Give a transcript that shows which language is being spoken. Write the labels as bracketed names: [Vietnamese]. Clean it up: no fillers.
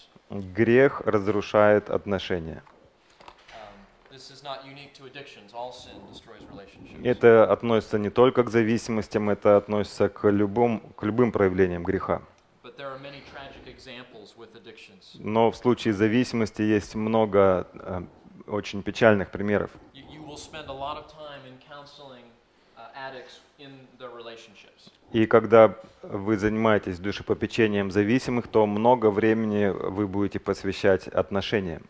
[Russian] Грех разрушает отношения. [English] This is not unique to addictions. All sin destroys relationships. [Russian] Это относится не только к зависимостям, это относится к любым проявлениям греха. [English] But there are many tragic examples with addictions. [Russian] Но в случае зависимости есть много очень печальных примеров. [English] You will spend a lot of time in counseling addicts in their relationships. [Russian] И когда вы занимаетесь душепопечением зависимых, то много времени вы будете посвящать отношениям.